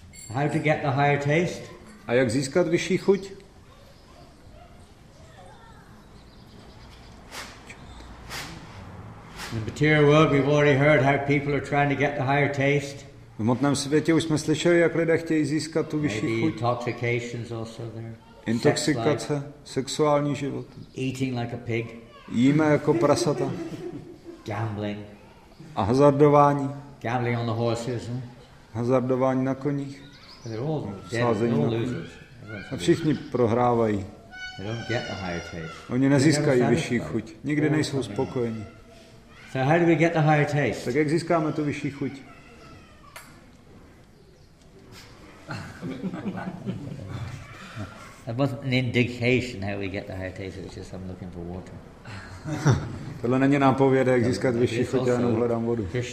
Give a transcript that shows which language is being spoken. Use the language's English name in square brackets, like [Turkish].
[English] How to get the higher taste? [Czech] A jak získat vyšší chuť? [English] In the material world, we've already heard how people are trying to get the higher taste. [Czech] V hmotném světě už jsme slyšeli, jak lidé chtějí získat tu vyšší [English] maybe [Czech] chuť. [English] Intoxications also there. [Czech] Intoxikace, [English] sex life, [Czech] sexuální život. [English] Eating like a pig. [Czech] Jíme jako prasata. [English] Gambling. [Czech] A hazardování. [English] Gambling on the horses. [Czech] Hazardování na koních. [English] They're all dead, they're all losers. [Czech] A všichni prohrávají. [English] They don't get the higher taste. [Czech] Oni nezískají vyšší chuť. Nikdy nejsou spokojeni. [English] So how do we get the higher taste? [Czech] Tak jak získáme tu vyšší chuť? [English] That wasn't an indication how we get the higher taste. It's just I'm looking for water. [Czech] Tohle není nápověda, jak získat vyšší chuť, já jenom hledám vodu.